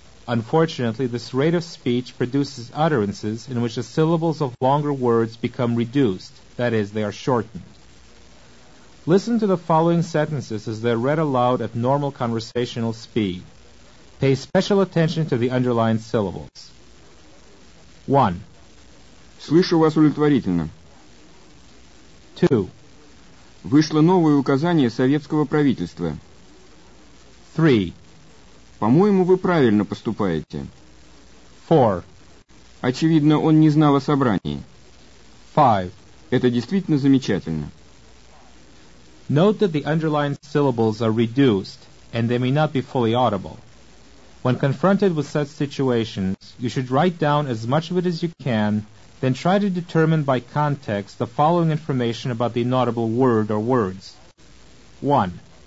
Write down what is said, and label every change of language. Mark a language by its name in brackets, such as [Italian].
[English] Unfortunately, this rate of speech produces utterances in which the syllables of longer words become reduced, that is, they are shortened. Listen to the following sentences as they're read aloud at normal conversational speed. Pay special attention to the underlined syllables. 1. [Russian] Слышу вас удовлетворительно. [English] 2. [Russian] Вышло новое указание советского правительства. [English] 3. [Russian] По-моему, вы правильно поступаете. [English] 4. [Russian] Очевидно, он не знал о собрании. [English] 5. [Russian] Это действительно замечательно. [English] Note that the underlined syllables are reduced, and they may not be fully audible. When confronted with such situations, you should write down as much of it as you can, then try to determine by context the following information about the inaudible word or words. 1.